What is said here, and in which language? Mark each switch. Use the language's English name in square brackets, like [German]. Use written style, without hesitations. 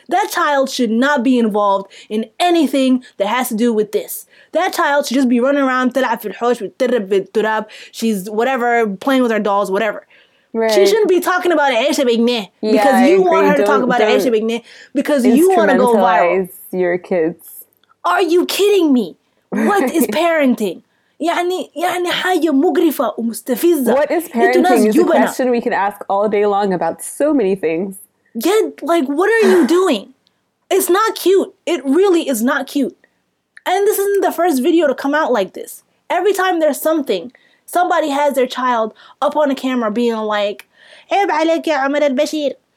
[English] That child should not be involved in anything that has to do with this. That child should just be running around, she's whatever, playing with her dolls, whatever. Right. She shouldn't be talking about Aisha Bigne because you want her to talk about Aisha Bigne because you want to go viral. Your kids. Are you kidding me? What is parenting? [Arabic] يعني حاجة مغرفة ومستفزة. [English] What is parenting is a question we can ask all day long about so many things. Yeah, like, what are you doing? It's not cute. It really is not cute. And this isn't the first video to come out like this. Every time there's something, somebody has their child up on a camera being like, [Arabic] عيب عليك يا عمر البشير.